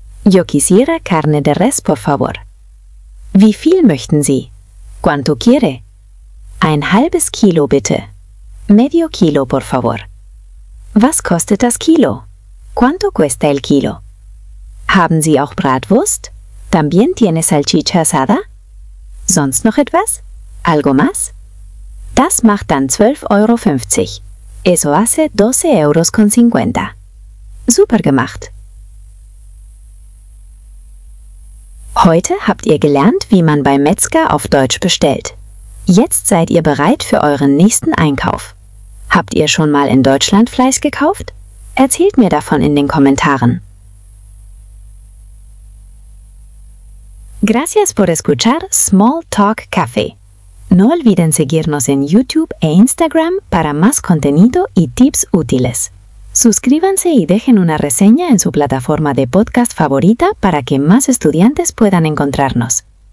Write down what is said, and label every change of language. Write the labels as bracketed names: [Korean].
[Spanish] Yo quisiera carne de res, por favor. [German] Wie viel möchten Sie? [Spanish] ¿Cuánto quiere? [German] Ein halbes Kilo, bitte. [Spanish] Medio kilo, por favor. [German] Was kostet das Kilo? [Spanish] ¿Cuánto cuesta el kilo? [German] Haben Sie auch Bratwurst? [Spanish] ¿También tiene salchicha asada? [German] Sonst noch etwas? [Spanish] ¿Algo más? [German] Das macht dann 12,50 Euro. [Spanish] Eso hace 12 euros con 50. [German] Super gemacht! Heute habt ihr gelernt, wie man beim Metzger auf Deutsch bestellt. Jetzt seid ihr bereit für euren nächsten Einkauf. Habt ihr schon mal in Deutschland Fleisch gekauft? Erzählt mir davon in den Kommentaren. [Spanish] Gracias por escuchar Small Talk Café. No olviden seguirnos en YouTube e Instagram para más contenido y tips útiles. Suscríbanse y dejen una reseña en su plataforma de podcast favorita para que más estudiantes puedan encontrarnos.